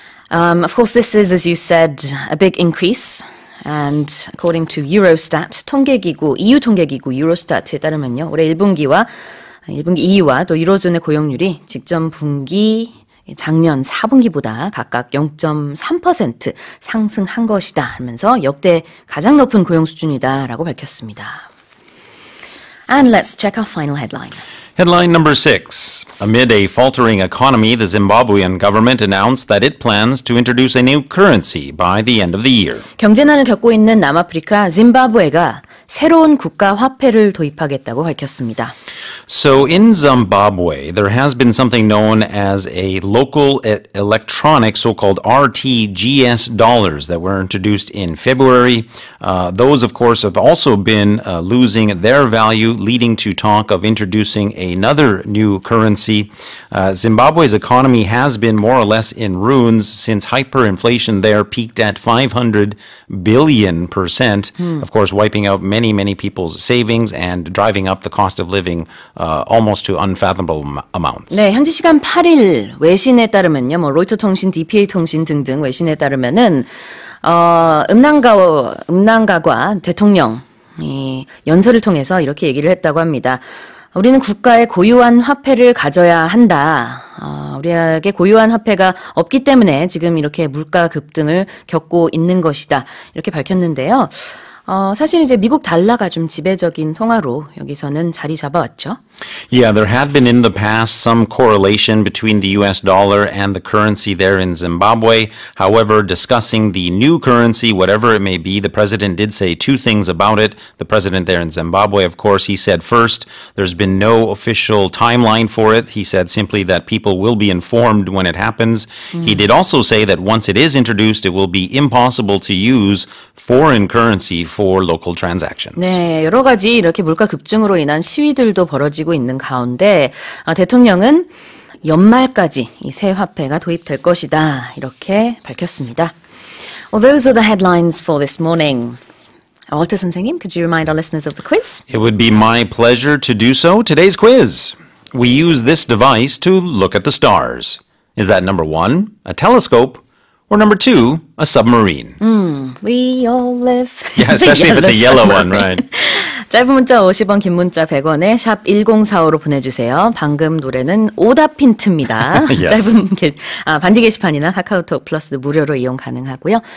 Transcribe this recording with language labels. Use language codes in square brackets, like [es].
[en] Of course, this is, as you said, a big increase. And according to Eurostat, [ko] 통계기구, EU 통계기구 Eurostat에 따르면요, 올해 1분기와 1분기 EU와 또 유로존의 고용률이 직전 분기 작년 4분기보다 각각 0.3% 상승한 것이다 하면서 역대 가장 높은 고용 수준이다라고 밝혔습니다. [en] And let's check our final headline. Headline number 6. Amid a faltering economy, the Zimbabwean government announced that it plans to introduce a new currency by the end of the year. [ko] 경제난을 겪고 있는 남아프리카 짐바브웨가 새로운 국가 화폐를 도입하겠다고 밝혔습니다. [en] So in Zimbabwe, there has been something known as a local electronic, so-called RTGS dollars that were introduced in February. Those, of course, have also been losing their value, leading to talk of introducing another new currency. Zimbabwe's economy has been more or less in ruins since hyperinflation there peaked at 500 billion percent, of course, wiping out many people's savings and driving up the cost of living almost to unfathomable amounts. [ko] 네, 현지 시간 8일 외신에 따르면요, 뭐 로이터 통신, DPA 통신 등등 외신에 따르면은 음란가과 대통령이 연설을 통해서 이렇게 얘기를 했다고 합니다. 우리는 국가의 고유한 화폐를 가져야 한다. 우리에게 고유한 화폐가 없기 때문에 지금 이렇게 물가 급등을 겪고 있는 것이다. 이렇게 밝혔는데요. 사실 이제 미국 달러가 좀 지배적인 통화로 여기서는 자리 잡아왔죠. [en] Yeah, there had been in the past some correlation between the US dollar and the currency there in Zimbabwe. However, discussing the new currency, whatever it may be, the president did say two things about it. The president there in Zimbabwe, of course, he said first, there's been no official timeline for it. He said simply that people will be informed when it happens. He did also say that once it is introduced, it will be impossible to use foreign currency for local transactions. [ko] 네, 여러 가지 이렇게 물가 급증으로 인한 시위들도 벌어지고 있는 가운데 대통령은 연말까지 이 새 화폐가 도입될 것이다 이렇게 밝혔습니다. [en] Well, those were the headlines for this morning. Walter 선생님, could you remind our listeners of the quiz? It would be my pleasure to do so. Today's quiz. We use this device to look at the stars. Is that number one, a telescope, Or number two, a submarine. We all live. Yeah, especially if it's a yellow one, right? [ko] 짧은 문자 50원, 긴 문자 100원에 샵 1045로 보내주세요. 방금 노래는 오답 힌트입니다. [en] Yes. [ko] 짧은 반디 게시판이나 카카오톡 플러스 무료로 이용 가능하고요.